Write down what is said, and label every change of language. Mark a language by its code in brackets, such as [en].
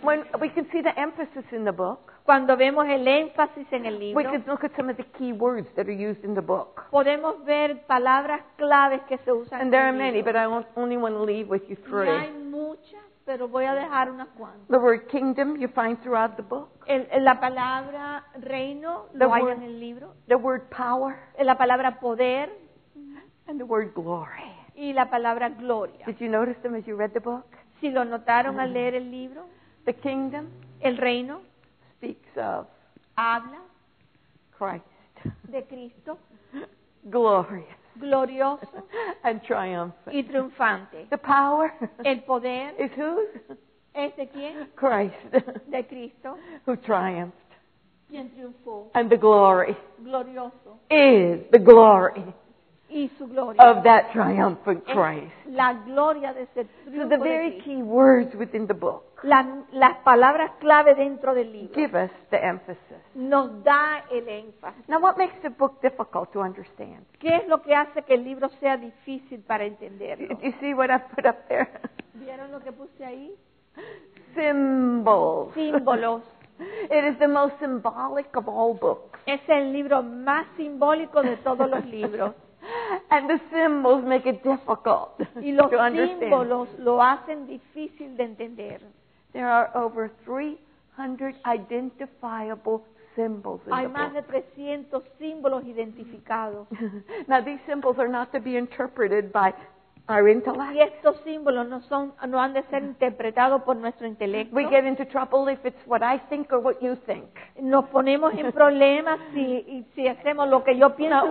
[en] When we can see the emphasis in the book. [es] Cuando vemos el énfasis en el libro. [en] We can look at some of the key words that are used in the book. [es] Podemos ver palabras claves que se usan. [en] And there are many, but I only want to leave with you three. [es] Y hay muchas, pero voy a dejar unas cuantas. [en] The word kingdom you find throughout the book. [es] La palabra reino lo hay en el libro. [en] The word power. [es] La palabra poder. [en] And the word glory. [es] Y la palabra gloria. [en] Did you notice them as you read the book? [es] Si lo notaron al leer el libro. [en] The kingdom. [es] El reino. [en] Speaks of [es] habla [en] Christ. [es] De Cristo. [en] Glorious. [es] Glorioso. [en] and triumphant. [es] Y triunfante. [en] The power. [es] El poder. [en] Is whose? [es] ¿Es de quién? [en] Christ. [es] De Cristo. [en] Who triumphed. [es] Quien triunfó. [en] And the glory. [es] Glorioso. [en] Is the glory. [es] Y su gloria. [en] Of that triumphant Christ. [es] La gloria de ese triunfo. [en] So the very key words within the book. [es] Las palabras clave dentro del libro. [en] Give us the emphasis. [es] Nos da el énfasis. [en] Now what makes the book difficult to understand? [es] ¿Qué es lo que hace que el libro sea difícil para entenderlo? [en] You see what I put up there? [es] ¿Vieron lo que puse ahí? [en] Symbols. [es] Símbolos. [en] It is the most symbolic of all books. [es] Es el libro más simbólico de todos los libros. [en] And the symbols make it difficult to understand. [es] Y los símbolos lo hacen difícil de entender. [en] There are over 300 identifiable symbols in book. [es] Hay más de 300 símbolos identificados. [en] Now these symbols are not to be interpreted by our intellect. [es] Y estos símbolos no han de ser interpretados por nuestro intelecto. [en] We get into trouble if it's what I think or what you think. [es] Nos ponemos en problemas si hacemos lo que yo pienso.